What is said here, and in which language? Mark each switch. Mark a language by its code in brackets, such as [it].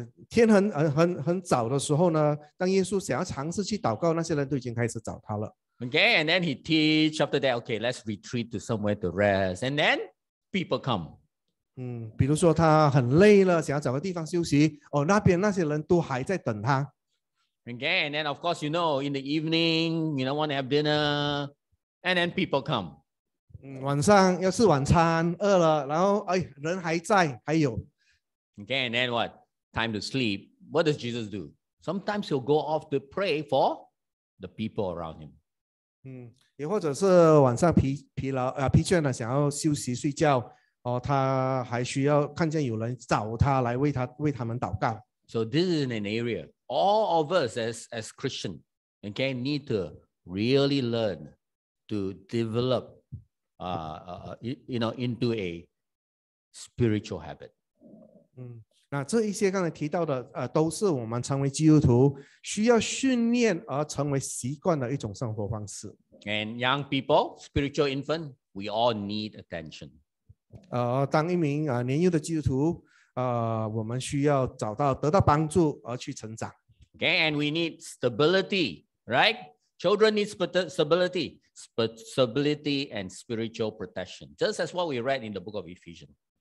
[zh] 天很早的时候呢，当耶稣想要尝试去祷告，那些人都已经开始找他了。 [en] Okay, and then he teach. After that, okay, let's retreat to somewhere to rest, and then people come. [zh] 比如说他很累了，想要找个地方休息。哦，那边那些人都还在等他。 [en] Okay, and then of course you know, in the evening, you know, want to have dinner, and then people come. [zh] 晚上要吃晚餐，饿了，然后人还在，还有。 [en] Okay, and then what? Time to sleep. What does Jesus do? Sometimes he'll go off to pray for the people around him. [zh] 也或者是晚上疲倦了，想要休息睡觉。他还需要看见有人找他来为他们祷告。 [en] So this is an area. All of us as Christian, okay, need to really learn to develop, into a spiritual habit. [zh] 那这一些刚才提到的，都是我们成为基督徒需要训练而成为习惯的一种生活方式。 [en] And young people, spiritual infant, we all need attention. [zh] 当一名年幼的基督徒我们需要找到得到帮助而去成长。 [en] Okay, and we need stability, right? Children need stability, stability and spiritual protection, just as what we read in the book of Ephesians.